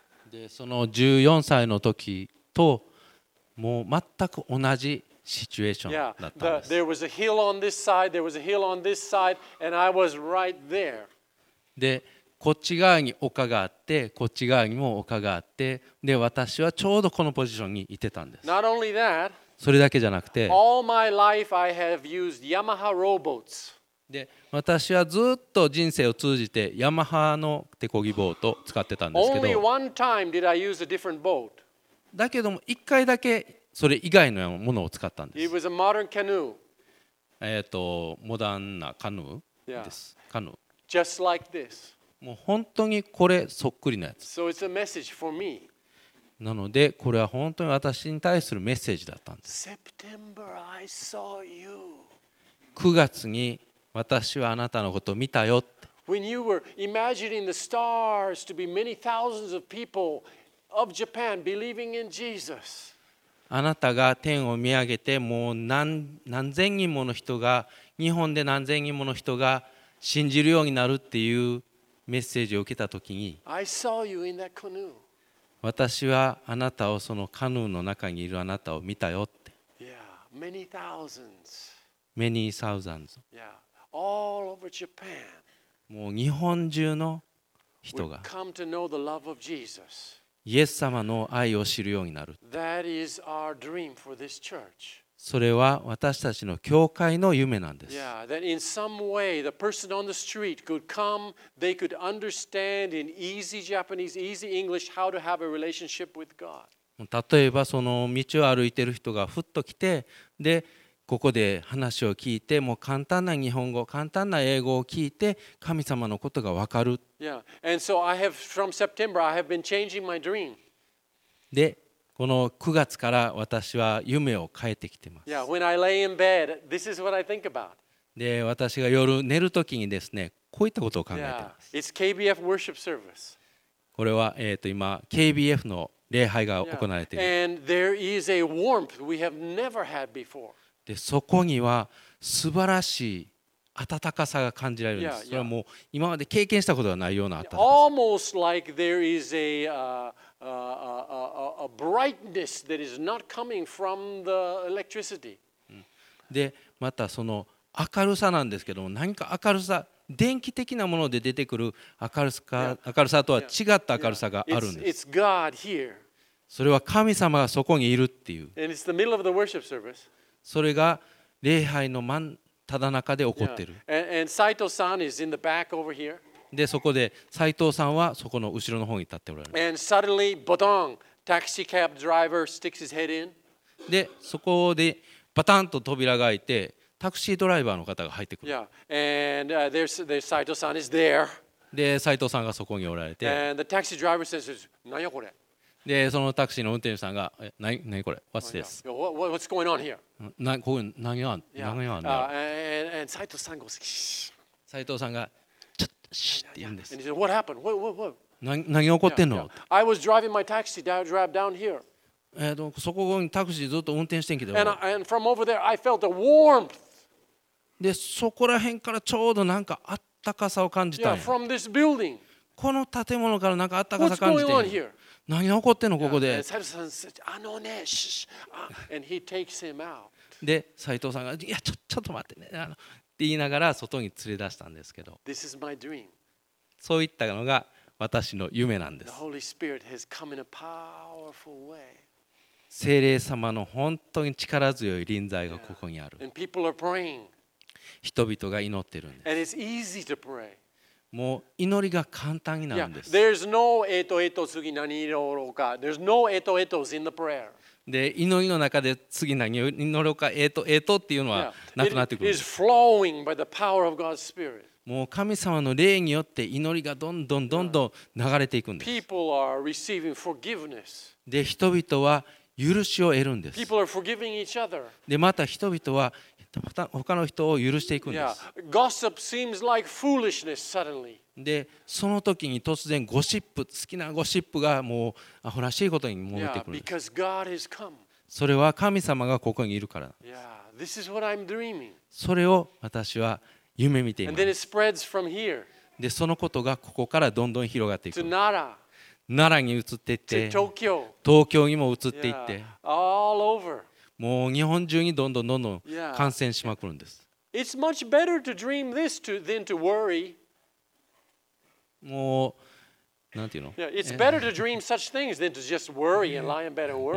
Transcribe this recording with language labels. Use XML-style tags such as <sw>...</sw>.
<ja>で、その14歳の時ともう全く同じシチュエーションだったんです。</ja> <en>Yeah, there was a hill on this side, there was a hill on this side, and I was right there.</en> <ja>で、こっち側に丘があって、こっち側にも丘があって、で、私はちょうどこのポジションにいてたんです。</ja> <en>Not only that,</en> <ja>それだけじゃなくて、</ja> <en>all my life I have used Yamaha rowboats.</en> <ja>で私はずっと人生を通じてヤマハの手漕ぎボートを使ってたんですけど、</ja> <en>Only one time did I use a different boat.</en> <ja>だけども一回だけそれ以外のものを使ったんです。</ja> <en>It was a modern canoe.</en> <ja>モダンなカヌーです。</ja> <en>Yeah.</en> <ja>カヌー。</ja> <en>Just like this.</en> <ja>もう本当にこれそっくりなやつ。</ja> <en>So it's a message for me.</en> <ja>なのでこれは本当に私に対するメッセージだったんです。</ja> <en>September, I saw you.</en> <ja>9月に私はあなたのことを見たよって。</ja> <en>When you were imagining the stars to be many thousands of people of Japan believing in Jesus.</en> <ja>あなたが天を見上げて、もう何千人もの人が、日本で何千人もの人が信じるようになるっていうメッセージを受けたときに、</ja> <en>I saw you in that canoe.</en> <ja>私はあなたを、そのカヌーの中にいるあなたを見たよって。</ja> <en>Yeah, many thousands. Many thousands. Yeah. All over Japan.</en> <ja>もう日本中の人が、</ja> <en>come to know the love of Jesus.</en> <ja>イエス様の愛を知るようになる。</ja> <en>That is our dream for this church.</en> <ja>それは私たちの教会の夢なんです。</ja> <en>Yeah, that in some way the person on the street could come, they could understand in easy Japanese, easy English how to have a relationship with God.</en> <ja>例えばその道を歩いてる人がふっと来て、で。ここで話を聞いて、もう簡単な日本語、簡単な英語を聞いて、神様のことが分かる。</ja> <en>Yeah. And so I have, from September, I have been changing my dream.</en> <ja>で、この9月から私は夢を変えてきてます。</ja> <en>Yeah. When I lay in bed, this is what I think about.</en> <ja>で、私が夜寝るときにですね、こういったことを考えてます。</ja> <en>Yeah. It's KBF worship service.</en> <ja>これは、今、KBF の礼拝が行われている。</ja> <en>Yeah. And there is a warmth we have never had before.</en> <ja>でそこには素晴らしい温かさが感じられるんです。</ja> <en>yeah, yeah.</en> <ja>それはもう今まで経験したことがないような温かさ。</ja> <en>Almost like there is a brightness that is not coming from the electricity.</en> <ja>でまたその明るさなんですけども、何か明るさ、電気的なもので出てくる明るさとは違った明るさがあるんです。</ja> <en>it's God here.</en> <ja>それは神様がそこにいるっていう。</ja> <en>And it's the middle of the worship service.</en> <ja>それが礼拝の真ただ中で起こってる。</ja> <en>Yeah. And Saito-san is in the back over here.</en> <ja>でそこで斉藤さんはそこの後ろの方に立っておられる。</ja> <en>And suddenly, ba-dong, taxi cab driver sticks his head in.</en> <ja>でそこでバタンと扉が開いてタクシードライバーの方が入ってくる。</ja> <en>Yeah. And, there's Saito-san is there.</en> <ja>で斉藤さんがそこにおられて、</ja> <en>And the taxi driver says,</en> <ja>何やこれ。でそのタクシーの運転手さんが、え、何これ</ja> <en>What's this? What's going on here?</en> <ja>なこういう何があんの、yeah. And 斉藤さんが斉藤さんがちょっとシッって言うんです。</ja> <en>And he said, What happened? What?</en> <ja>何起こってんの、</ja> <en>yeah, yeah. I was driving my taxi down here.</en> <ja>そこにタクシーずっと運転してんけど、</ja> <en>and from over there I felt a warmth.</en> <ja>でそこら辺からちょうどなんかあったかさを感じた。</ja> <en>yeah, from this building.</en> <ja>この建物からなんかあったかさ感じて。</ja> <en>What's going on here?</en> <ja>何が起こってんのここで。斉藤さんが、あのね、シッ、</ja> <en>and he takes him out.</en> <ja>で、斉藤さんが、いや、ちょっと待ってね、って言いながら外に連れ出したんですけど。</ja> <en>This is my dream.</en> <ja>そういったのが私の夢なんです。</ja> <en>The Holy Spirit has come in a powerful way.</en> <ja>聖霊様の本当に力強い臨在がここにある。</ja> <en>And people are praying.</en> <ja>人々が祈ってるんです。</ja> <en>And it's easy to pray.</en> <ja>もう祈りが簡単になるんです。</ja> <en>Yeah, there's no eto</en> <ja>次何祈ろうか。</ja> <en>There's no eto's in the prayer.</en> <ja>で祈りの中で次何を祈ろうか eto っていうのはなくなってくる。</ja> <en>Yeah, it is flowing by the power of God's Spirit.</en> <ja>もう神様の霊によって祈りがどんどんどんどん流れていくんです。</ja> <en>People are receiving forgiveness.</en> <ja>で人々は許しを得るんです。</ja> <en>People are forgiving each other.</en> <ja>でまた人々は他の人を許していくんです。</ja> <en>yeah. Gossip seems like foolishness suddenly.</en> <ja>でその時に突然ゴシップ好きなゴシップがもうアホらしいことに戻ってくるんです。</ja> <en>yeah. Because God has come.</en> <ja>それは神様がここにいるからなんです。</ja> <en>yeah. This is what I'm dreaming.</en> <ja>それを私は夢見ています。</ja> <en>And then it spreads from here.</en> <ja>でそのことがここからどんどん広がっていく。</ja> <en>To Nara.</en> <ja>奈良に移っていって</ja> <en>To Tokyo.</en> <ja>東京にも移っていって、</ja> <en>yeah. All over.</en> <ja>もう日本中にどんどんどんどん感染しまくるんです。</ja> <en>It's much better to dream this than to worry.</en> <ja>もうなんていうの？</ja> <en>Yeah, it's better to dream such things than to just worry and lie in bed and worry.</en>